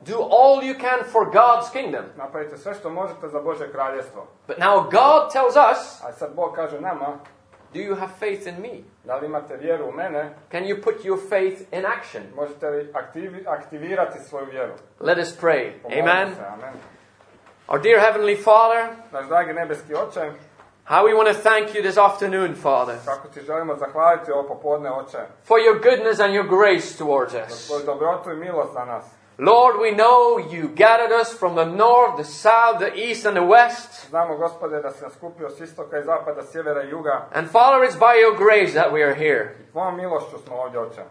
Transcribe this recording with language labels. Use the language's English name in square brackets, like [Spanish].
[English] Do all you can for God's kingdom. [Croatian] Napravite sve što možete za Božje kraljestvo. [English] But now God tells us, [Croatian] a sad Bog kaže nama, [English] Do you have faith in me? [Croatian] Da li imate vjeru u mene? [English] Can you put your faith in action? [Croatian] Možete li aktivirati svoju vjeru? [English] Let us pray. Amen. Amen. Our dear Heavenly Father, [Croatian] naš dragi nebeski Oče, [English] how we want to thank you this afternoon, Father. [Croatian] Kako ti želimo zahvaliti ovo popodne, Oče. [English] For your goodness and your grace towards us. [Croatian] Za tvoju dobrotu i milost za nas. [English] Lord, we know you gathered us from the north, the south, the east and the west. [Croatian] Znamo, Gospode, da si nas skupio s istoka i zapada, sjevera i juga. [English] And Father, it's by your grace that we are here. [Croatian] I tvojom milošću smo ovdje, Oče.